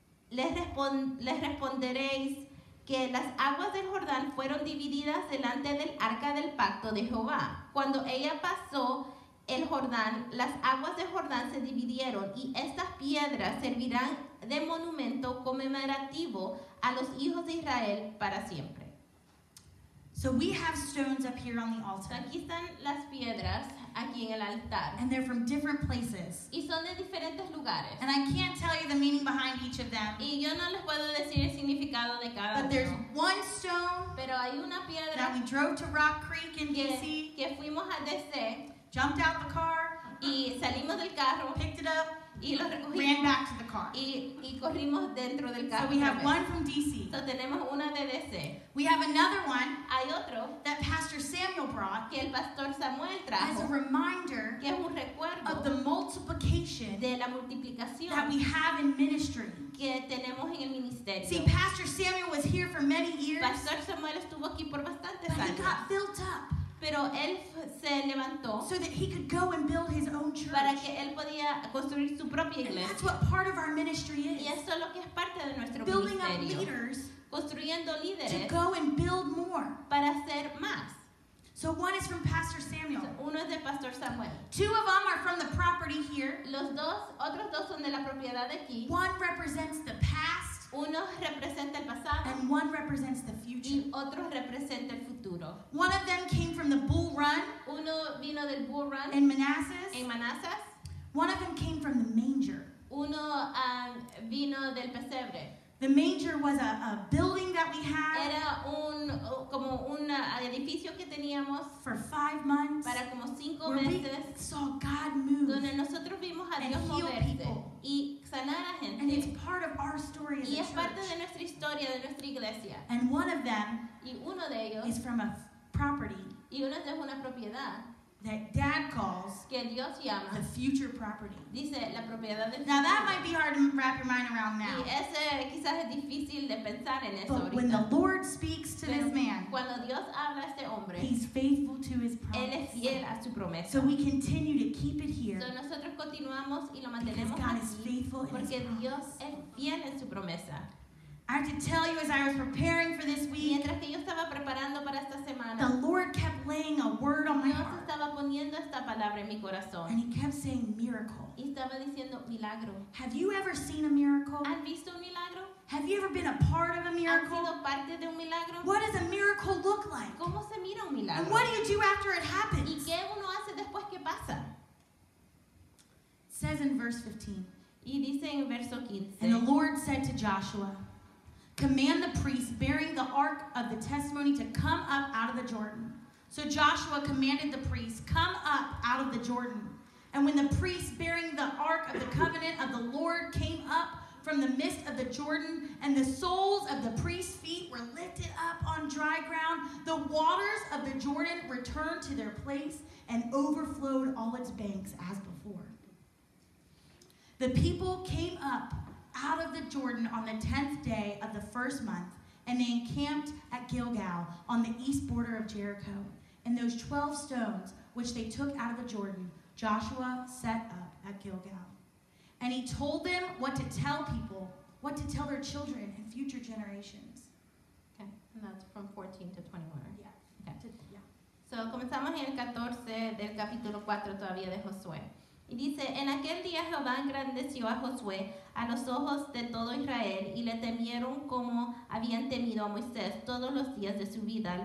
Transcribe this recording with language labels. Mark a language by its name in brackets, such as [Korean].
[Spanish] Les responderéis que las aguas del Jordán fueron divididas delante del arca del pacto de Jehová. Cuando ella pasó el Jordán, las aguas del Jordán se dividieron y estas piedras servirán de monumento conmemorativo a los hijos de Israel para siempre. [English] So we have stones up here on the altar. [Spanish] Aquí están las piedras aquí en el altar. [English] And they're from different places. [Spanish] Y son de diferentes lugares. [English] And I can't tell you the meaning behind each of them. [Spanish] Y yo no les puedo decir el significado de cada uno. [English] But there's one stone. [Spanish] Pero hay una piedra [English] that we drove to Rock Creek in DC. [Spanish] Que fuimos a DC. [English] Jumped out the car. [Spanish] Y salimos del carro. [English] Picked it up. [Spanish] Y lo recogimos. [English] Ran back to the car. [Spanish] Y corrimos dentro del carro. [English] So we have one from DC. [Spanish] So tenemos una de DC. [English] We have another one. [Spanish] Hay otro. [English] That Pastor Samuel brought. [Spanish] Que el Pastor Samuel trajo. [English] As a reminder. [Spanish] Que es un recuerdo. [English] Of the multiplication. [Spanish] De la multiplicación. [English] That we have in ministry. [Spanish] que tenemos en el ministerio. [English] See, Pastor Samuel was here for many years. [Spanish] Pastor Samuel estuvo aquí por bastantes años. [English] But he got built up. [Spanish] Pero él se levantó. [English] So that he could go and build his own church. [Spanish] Para que él podía construir su propia iglesia. [English] And that's what part of our ministry is. [Spanish] Y eso es lo que es parte de nuestro [English] building [Spanish] ministerio. [English] Building up leaders. [Spanish] Construyendo líderes. [English] To go and build more. [Spanish] Para hacer más. [English] So one is from Pastor Samuel. [Spanish] Uno es de Pastor Samuel. [English] Two of them are from the property here. [Spanish] Los dos, otros dos son de la propiedad de aquí. [English] One represents the past. [Spanish] Uno representa el pasado. [English] And one represents the future. [Spanish] Y otro representa el futuro. [English] One of them came from the Bull Run. [Spanish] Uno vino del Bull Run. [English] In Manassas. [Spanish] En Manassas. [English] One of them came from the manger. [Spanish] Uno vino del pesebre. [English] The manger was a building that we had. [Spanish] Era un como un edificio que teníamos [English] for 5 months. [Spanish] Para como cinco meses. [English] Where we saw God move. [Spanish] Donde nosotros vimos a Dios moverse y sanar a gente. [English] And it's part of our story as a church. [Spanish] Y es parte de nuestra historia, de nuestra iglesia. [English] And one of them, [Spanish] y uno de ellos, [English] is from a property. [Spanish] Y uno es una propiedad. [English] That Dad calls [Spanish] que Dios llama [English] the future property. [Spanish] Dice, la propiedad del [English] now that might be hard to wrap your mind around now. [Spanish] Y ese quizás es difícil de pensar en eso [English] but [Spanish] ahorita. [English] When the Lord speaks to [Spanish] pero [English] this man, [Spanish] cuando Dios habla a este hombre, [English] he's faithful to his promise. [Spanish] Él es fiel a su promesa. [English] So we continue to keep it here. [Spanish] So nosotros continuamos y lo mantenemos [English] because God is faithful in [Spanish] porque [English] his promise. [Spanish] Dios es fiel en su promesa. [English] I have to tell you, as I was preparing for this week, [Spanish] mientras que yo estaba preparando para esta semana, [English] the Lord kept laying a word on my heart. [Spanish] Dios estaba poniendo esta palabra en mi corazón. [English] And he kept saying, miracle. [Spanish] Y estaba diciendo, milagro. [English] Have you ever seen a miracle? [Spanish] ¿Has visto un milagro? [English] Have you ever been a part of a miracle? [Spanish] ¿Has sido parte de un milagro? [English] What does a miracle look like? [Spanish] ¿Cómo se mira un milagro? [English] And what do you do after it happens? [Spanish] ¿Y qué uno hace después que pasa? [English] It says in verse 15. [Spanish] Y dice en verso 15. [English] And the Lord said to Joshua, command the priests bearing the ark of the testimony to come up out of the Jordan. So Joshua commanded the priests, come up out of the Jordan. And when the priests bearing the ark of the covenant of the Lord came up from the midst of the Jordan, and the soles of the priests' feet were lifted up on dry ground, the waters of the Jordan returned to their place and overflowed all its banks as before. The people came up out of the Jordan on the 10th day of the first month, and they encamped at Gilgal on the east border of Jericho. And those 12 stones which they took out of the Jordan, Joshua set up at Gilgal. And he told them what to tell people, what to tell their children and future generations. Okay, and that's from 14 to 21. Yeah. [Spanish] Okay. So, comenzamos en el 14 del capítulo 4 todavía de Josué. Y dice, en aquel día Jehová engrandeció a Josué a los ojos de todo Israel y le temieron como habían temido a Moisés todos los días de su vida.